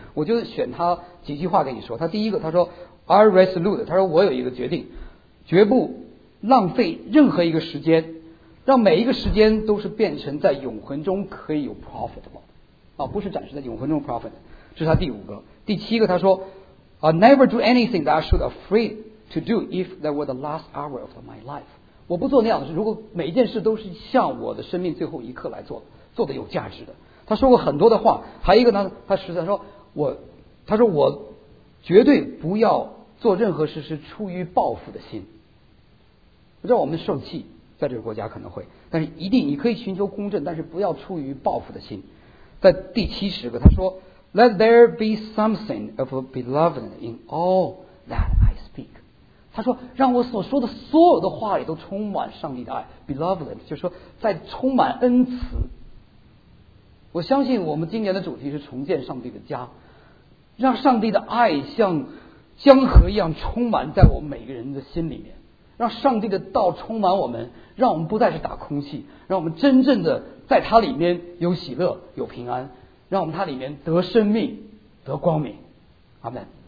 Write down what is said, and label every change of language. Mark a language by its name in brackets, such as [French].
[Chinese] 我就选他几句话跟你说。他第一个，他说 [English] are resolute， [Chinese] 他说我有一个决定，绝不浪费任何一个时间，让每一个时间都是变成在永恒中可以有 profitable 啊，不是暂时在永恒中 profit。 这是他第五个。第七个，他说 [English] never do anything that I should afraid to do if that were the last hour of my life。 [Chinese] 我不做那样的事，如果每一件事都是像我的生命最后一刻来做，做的有价值的。他说过很多的话。还有一个呢，他实在说，他说我绝对不要做任何事是出于报复的心，让我们受气，在这个国家可能会，但是一定你可以寻求公正，但是不要出于报复的心。在第七十个，他说 [English] Let there be something of a beloved in all that I speak。 [Chinese] 他说让我所说的所有的话里都充满上帝的爱， beloved 就是说在充满恩慈。我相信我们今年的主题是重建上帝的家，让上帝的爱像江河一样充满在我们每个人的心里面，让上帝的道充满我们，让我们不再是打空气，让我们真正的在他里面有喜乐有平安，让我们他里面得生命得光明。阿们。